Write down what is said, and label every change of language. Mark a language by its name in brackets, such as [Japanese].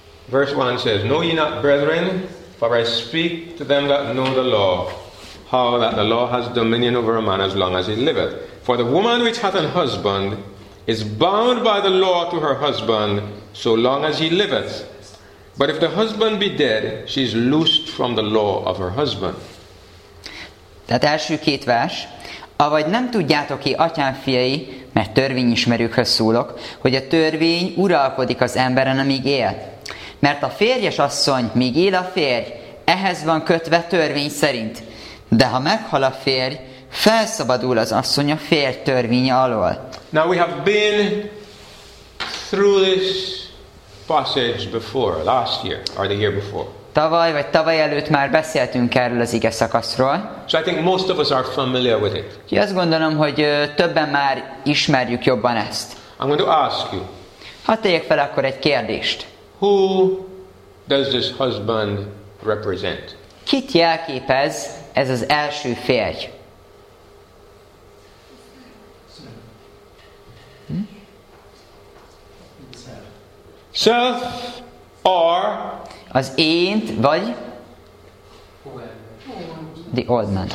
[English] Verse 1 says, know ye not, brethren, for I speak to them that know the law, how that the law has dominion over a man as long as he liveth. For the woman which hath an husband is bound by the law to her husband so long as he liveth. But if the husband be dead, she is loosed from the law of her husband. [Hungarian] Tehát első két vers. Avagy nem tudjátok-e, atyám fiai, mert törvényismerőkhöz szólok, hogy a törvény uralkodik az emberen, amíg él. Mert a férjes asszony, míg él a férj, ehhez van kötve törvény szerint. De ha meghal a férj, felszabadul az asszony a férj törvénye alól. [English] Now we have been through this passage before, last year, or the year before. [Hungarian] Tavaly vagy tavaly előtt már beszéltünk erről az ige szakaszról. [English] So I think most of us are familiar with it. [Hungarian] Ki azt gondolom, hogy többen már ismerjük jobban ezt. [English] I'm going to ask you. [Hungarian] Hadd tegyek fel akkor egy kérdést. [English] Who does this husband represent? [Hungarian] Kit jelképez ez az első férj? [English] Self or [Hungarian] az ént vagy [English] the old man.